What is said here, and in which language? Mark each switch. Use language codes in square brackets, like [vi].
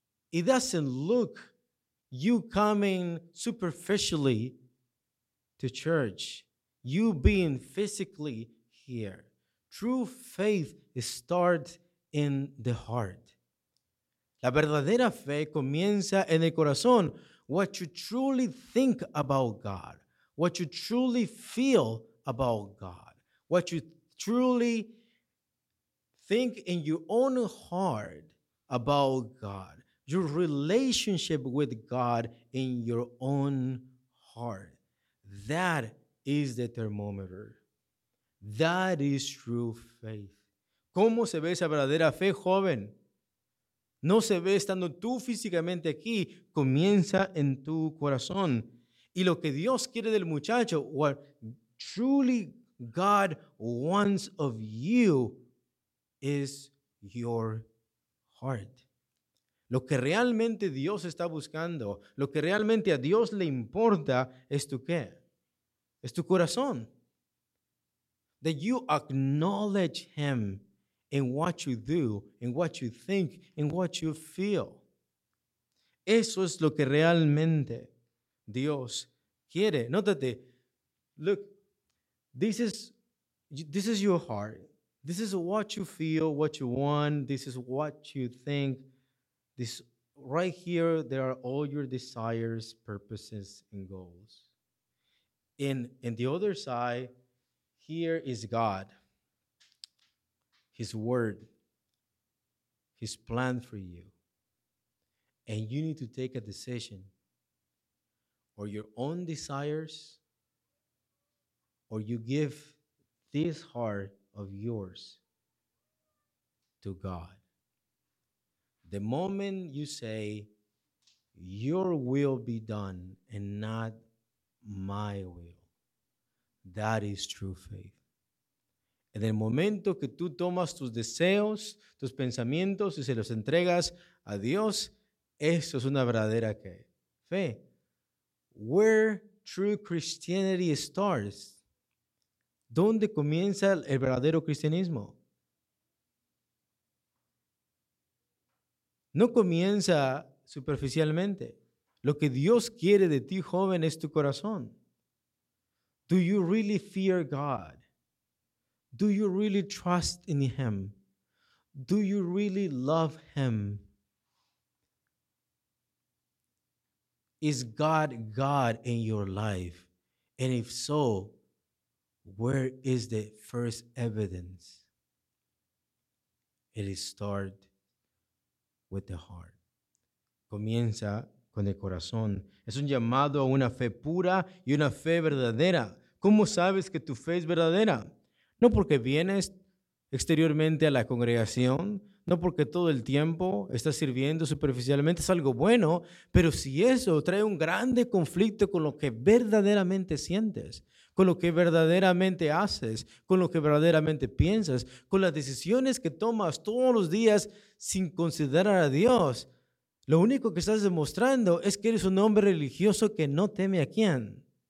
[en] It doesn't look you coming superficially to church, you being physically here. True faith starts in the heart. [es] La verdadera fe comienza en el corazón. [en] What you truly think about God, what you truly feel about God, what you truly think in your own heart about God, your relationship with God in your own heart. That is the thermometer. That is true faith. [es] ¿Cómo se ve esa verdadera fe, joven? No se ve estando tú físicamente aquí, comienza en tu corazón. Y lo que Dios quiere del muchacho, [en] what truly God wants of you, is your heart. [es] Lo que realmente Dios está buscando, lo que realmente a Dios le importa, es tu qué? Es tu corazón. [en] That you acknowledge Him in what you do, in what you think, in what you feel. [es] Eso es lo que realmente Dios quiere. [en] Nótate, look, this is your heart. This is what you feel, what you want. This is what you think. This right here, there are all your desires, purposes, and goals. In the other side, here is God. His word, His plan for you. And you need to take a decision. Or your own desires, or you give this heart of yours to God. The moment you say, your will be done and not my will, that is true faith. [es] En el momento que tú tomas tus deseos, tus pensamientos y se los entregas a Dios, eso es una verdadera fe. [en] Where true Christianity starts. [es] ¿Dónde comienza el verdadero cristianismo? No comienza superficialmente. Lo que Dios quiere de ti, joven, es tu corazón. [en] Do you really fear God? Do you really trust in Him? Do you really love Him? Is God God in your life? And if so, where is the first evidence? It starts with the heart. [es] Comienza con el corazón. Es un llamado a una fe pura y una fe verdadera. ¿Cómo sabes que tu fe es verdadera? No porque vienes exteriormente a la congregación, no porque todo el tiempo estás sirviendo superficialmente, es algo bueno, pero si eso trae un grande conflicto con lo que verdaderamente sientes, con lo que verdaderamente haces, con lo que verdaderamente piensas, con las decisiones que tomas todos los días sin considerar a Dios, lo único que estás demostrando es que eres un hombre religioso que no teme a quién.